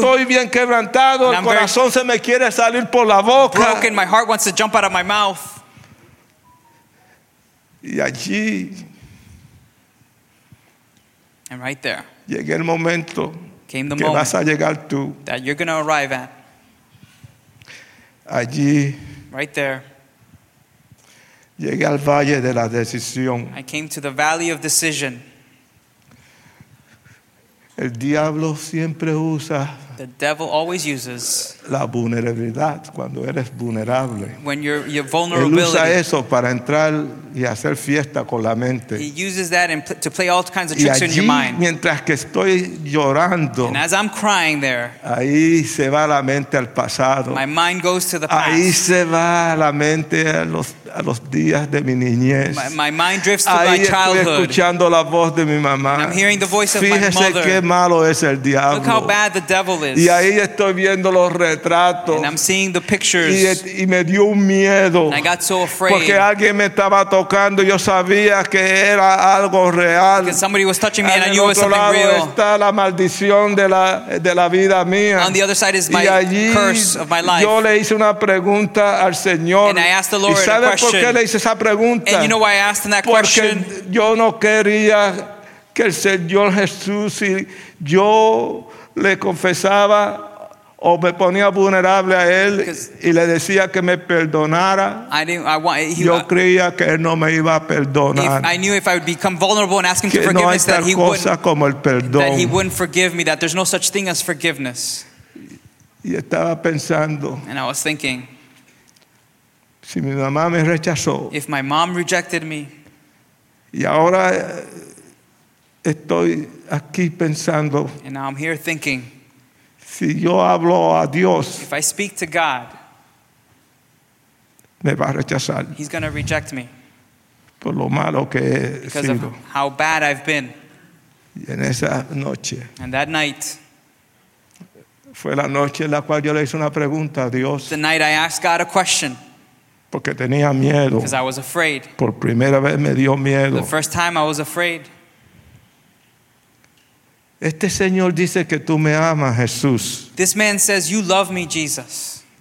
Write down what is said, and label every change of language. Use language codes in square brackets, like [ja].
[es] Y estoy bien quebrantado. El corazón se me quiere salir por la voz. [en] Broken, my heart wants to jump out of my mouth. [es] Y allí, [en] and right there [es] llegué el momento [en] came the [es] que [en] moment [es] vas a llegar tú. [en] That you're going to arrive at. [es] Allí, [en] right there [es] llegué al valle de la decisión. [en] I came to the valley of decision. [es] El diablo siempre usa [en] the devil always uses [es] la vulnerabilidad cuando eres vulnerable. [en] When you're vulnerable, [es] él usa eso para entrar y hacer fiesta con la mente. [en] He uses that and to play all kinds of tricks in your mind. [es] Mientras que estoy llorando, [en] and as I'm crying there, [es] ahí se va la mente al pasado. [en] My mind goes to the past. [es] Ahí se va la mente a los días de mi niñez. [en] My mind drifts to my childhood. [es] Ahí estoy escuchando la voz de mi mamá. [en] I'm hearing the voice of my mother. [es] Fíjese qué malo es el diablo. [en] Look how bad the devil is. [es] Y ahí estoy viendo los retratos. [en] And I'm seeing the pictures. [es] Y me dio un miedo. [en] And I got so afraid. [es] Porque alguien me estaba tocando, yo sabía que era algo real. [en] Because somebody was touching me and I knew it was something real. [es] Está la maldición de la vida mía. [en] On the other side is my curse of my life. [es] Yo le hice una pregunta al Señor. [en] And I asked the Lord a question. [es] ¿Por qué le hice esa pregunta? [en] And you know why I asked him that [es] porque [en] question? [es] Yo no quería que el Señor Jesús, si yo le confesaba o me ponía vulnerable a él y le decía que me perdonara, yo creía que él no me iba a perdonar. [en] I knew if I would become vulnerable and ask him for forgiveness, [es] no hay cosa como el perdón. [en] That he wouldn't forgive me, that there's no such thing as forgiveness. [es] Y estaba pensando. [en] And I was thinking. [es] Si mi mamá me rechazó, [en] if my mom rejected me, [es] y ahora estoy aquí pensando, [en] and now I'm here thinking, [es] si yo hablo a Dios, [en] if I speak to God, [es] me va a rechazar. [en] He's going to reject me [es] por lo malo que he [en] because [es] sido. [en] Of how bad I've been. [es] Y en esa noche, [en] and that night, [es] fue la noche en la cual yo le hice una pregunta a Dios. [en] The night I asked God a question. [es] Porque tenía miedo. [en] Because I was afraid. [es] Por primera vez me dio miedo. [en] The first time I was afraid. [es] Este señor dice que tú me amas, Jesús. [en] This man says you love me, Jesus.